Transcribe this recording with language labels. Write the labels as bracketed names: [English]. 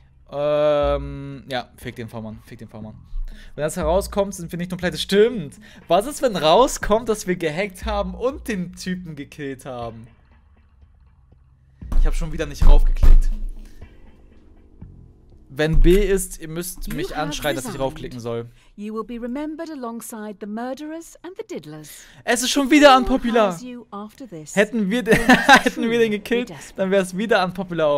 [German] Ja, fick den V-Mann. Fick den V-Mann. Wenn das herauskommt, sind wir nicht nur pleite. Stimmt. Was ist, wenn rauskommt, dass wir gehackt haben und den Typen gekillt haben? Ich habe schon wieder nicht raufgeklickt. Wenn B ist, ihr müsst mich anschreien, dass ich raufklicken soll. [English] You will be remembered alongside the murderers and the diddlers. [German] Es ist schon wieder unpopular. Hätten wir den gekillt, dann wäre es wieder unpopular.